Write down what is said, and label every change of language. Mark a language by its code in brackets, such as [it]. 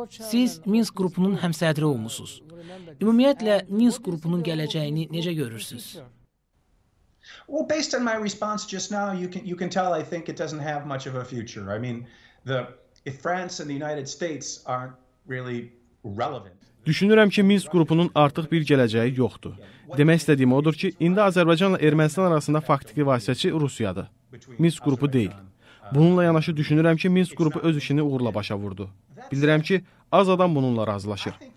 [az] Siz Minsk qrupunun həmsədri olmuşsunuz. Ümumiyyətlə, Minsk qrupunun gələcəyini necə görürsünüz? [en] Well, based on my response just now, you can tell I think it doesn't have much of a future. I mean, if France and the United States aren't really relevant. [az] Düşünürəm ki, Minsk qrupunun artıq bir gələcəyi yoxdur. Demək istədiyim odur ki, indi Azərbaycanla Ermənistan arasında faktiki vasitəçi Rusiyadır. Minsk qrupu deyil. Bununla yanaşı düşünürəm ki, Minsk qrupu öz işini uğurla başa vurdu. Bilirəm ki, az adam bununla razılaşır.